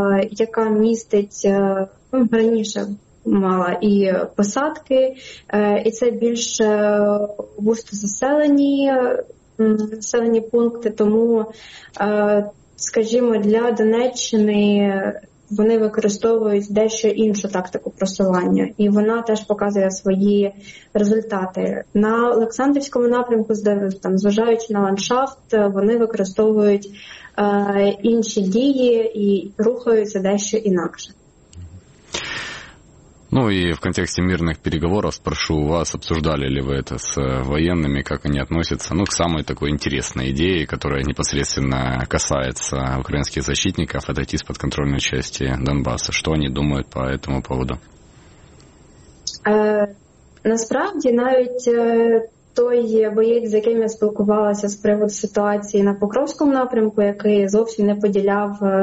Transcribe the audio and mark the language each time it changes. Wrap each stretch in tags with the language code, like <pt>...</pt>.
<uk>яка містить раніше, мала і посадки, і це більш густо заселені пункти, тому, скажімо, для Донеччини вони використовують дещо іншу тактику просування, і вона теж показує свої результати. На Олександрівському напрямку, там, зважаючи на ландшафт, вони використовують інші дії і рухаються дещо інакше.</uk> <ru>Ну и в контексте мирных переговоров спрошу у вас, обсуждали ли вы это с военными, как они относятся, ну, к самой такой интересной идее, которая непосредственно касается украинских защитников, отойти из подконтрольной части Донбасса. Что они думают по этому поводу?</ru> <uk>Насправді, навіть той боєць, з яким я спілкувалася з приводу ситуації на Покровському напрямку, який зовсім не поділяв,</uk>